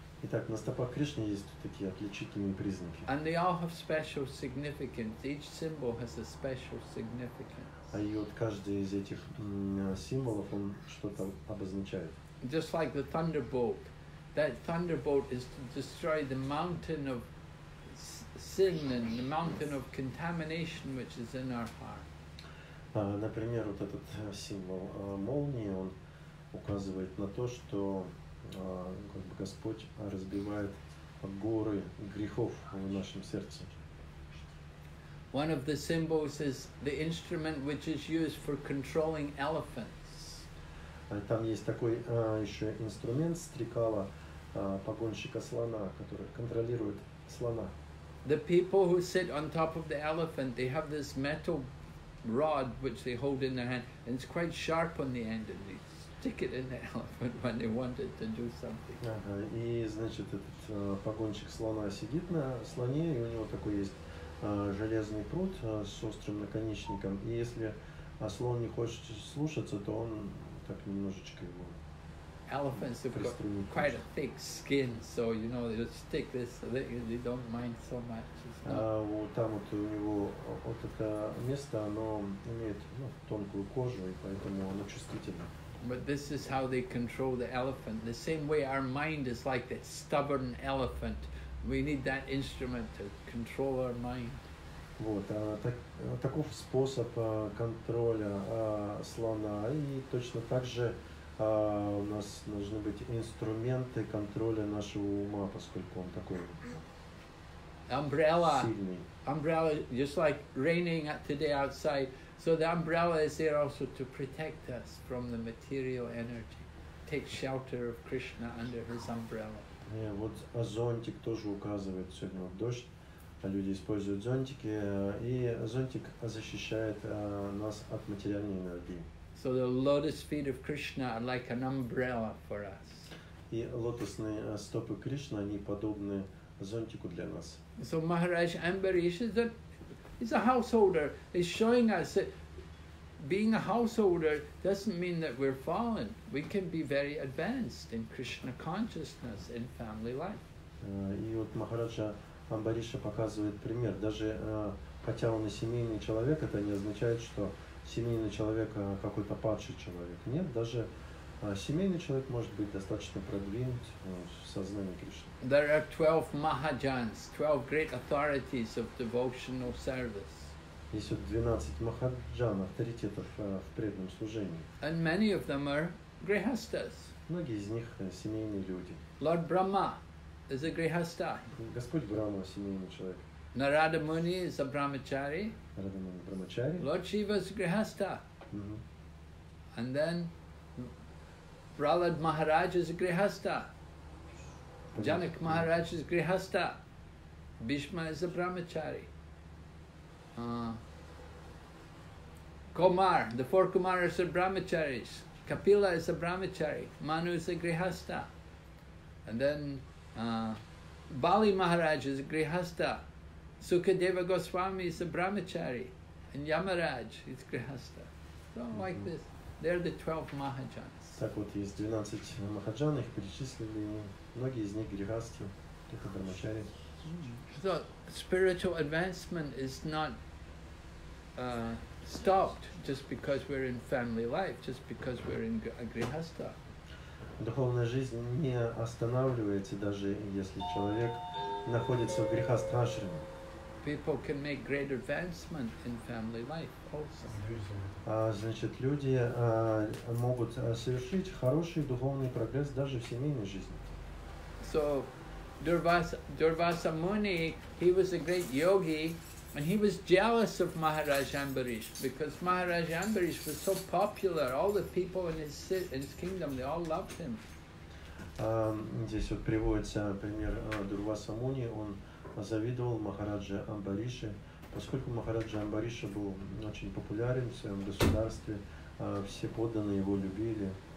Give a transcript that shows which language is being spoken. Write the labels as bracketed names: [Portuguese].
[Russian] Итак, на стопах Кришны есть вот такие отличительные признаки. [English] And they all have special significance. Each symbol has a special significance. [Russian] А и вот каждый из этих символов он что-то обозначает. [English] Just like the thunderbolt. That thunderbolt is to destroy the mountain of sin and the mountain of contamination which is in our heart. [Russian] Например, вот этот символ молнии, он указывает на то, что как бы Господь разбивает горы грехов в нашем сердце. [English] One of the symbols is the instrument which is used for controlling elephants. [Russian] Там есть такой еще инструмент стрекала, погонщика слона, который контролирует слона. [English] The people who sit on top of the elephant, they have this metal rod which they hold in their hand, and it's quite sharp on the end, and they stick it in the elephant when they want it to do something. [Russian] И значит этот погонщик слона сидит на слоне, и у него такой есть железный пруд с острым наконечником, и если слон не хочет слушаться, то он так немножечко его. [English] Elephants have got quite a thick skin, so you know they'll stick this, so they don't mind so much. [Russian] Там вот у него вот это место, оно имеет тонкую кожу, и поэтому оно чувствительно. [English] But this is how they control the elephant. The same way our mind is like that stubborn elephant. We need that instrument to control our mind. [Russian] Вот, таков способ контроля слона, и точно так же у нас должны быть инструменты контроля нашего ума, поскольку он такой [English] umbrella. [Russian] Сильный. [English] Umbrella, just like raining today outside, so the umbrella is there also to protect us from the material energy. Take shelter of Krishna under his umbrella. [Russian] Вот зонтик тоже указывает, сегодня вот дождь, люди используют зонтики, и зонтик защищает нас от материальной энергии. [English] So the lotus feet of Krishna are like an umbrella for us. [Russian] И лотосные стопы Кришны, они подобны зонтику для нас. [English] So Maharaj Ambarish is a householder, is showing us that being a householder doesn't mean that we're fallen. We can be very advanced in Krishna consciousness in family life. [Russian] И вот Махараджа Амбариша показывает пример. Даже хотя он и семейный человек, это не означает, что семейный человек какой-то падший человек. Нет, даже семейный человек может быть достаточно продвинут в сознании Кришны. [English] There are 12 Mahajans, 12 great authorities of devotional service. [Russian] Есть вот 12 махаджан, авторитетов в преданном служении. [English] And many of them are grihasthas. [Russian] Многие из них семейные люди. [English] Lord Brahma is a grihastha. [Russian] Господь Брахма – семейный человек. [English] Narada Muni is a brahmachari. [Russian] Narada Muni – брахмачари. [English] Lord Shiva is a grihastha. And then Prahlad Maharaj is a grihastha. Janak Maharaj is a grihastha. Bhishma is a brahmachari. Kumar, the four Kumaras are brahmacharis. Kapila is a brahmachari. Manu is a grihastha. And then Bali Maharaj is a grihastha. Sukadeva Goswami is a brahmachari. And Yamaraj is grihastha. So like this. They're the 12 Mahajans. [Russian] Так вот, есть 12 Mahajan, их перечислили. Многие из них грихасты, только брахмачари. [English] So spiritual advancement is not stopped just because we're in family life, just because we're in a grihastha. [Russian] Духовная жизнь не останавливается, даже если человек находится в грихастха ашраме. [English] People can make great advancement in family life also. [Russian] Значит, люди могут совершить хороший духовный прогресс даже в семейной жизни. [English] So Durvasa Muni, he was a great yogi, and he was jealous of Maharaj Ambarish, because Maharaj Ambarish was so popular, all the people in his kingdom, they all loved him. [Russian] Здесь вот приводится пример Дурваса Муни. Он завидовал Махараджи Амбарише, поскольку Махараджи Амбариша был очень популярен в своем государстве, все подданные его любили.